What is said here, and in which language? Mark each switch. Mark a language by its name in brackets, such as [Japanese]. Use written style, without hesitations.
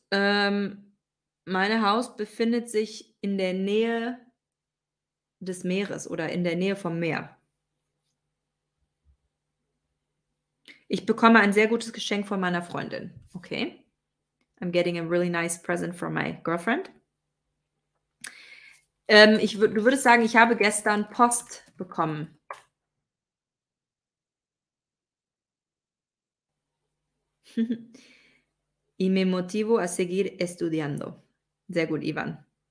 [German] Mein Haus befindet sich in der Nähe des Meeres oder in der Nähe vom Meer. Ich bekomme ein sehr gutes Geschenk von meiner Freundin. Okay. [English] I'm getting a really nice present from my girlfriend. [German] Du würdest sagen, ich habe gestern Post bekommen. [Spanish] Y me motivo a seguir estudiando. [German] Sehr gut, [Spanish] Ivan.